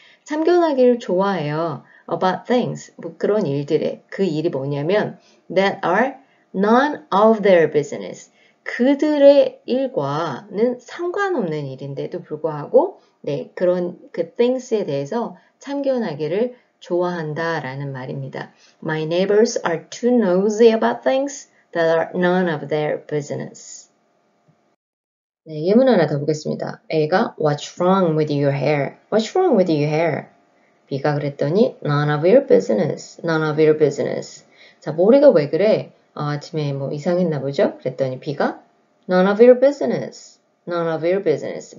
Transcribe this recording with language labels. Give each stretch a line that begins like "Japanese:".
Korean: 참견하기를 좋아해요.
English: about things,
Korean: 뭐 그런 일들에 그 일이 뭐냐면
English: that are none of their business.
Korean: 그들의 일과는 상관없는 일인데도 불구하고 네, 그런 그 things에 대해서 참견하기를 좋아한다 라는 말입니다.
English: My neighbors are too nosy about things that are none of their business.
Korean: 네, 예문 하나 더 보겠습니다. A가
English: What's wrong with your hair? What's wrong with your hair?
Korean: B가 그랬더니
English: None of your business. None of your business.
Korean: 자, 머리가 왜 그래? 아, 아침에 뭐 이상했나 보죠? 그랬더니 B가
English: None of your business. None of your business.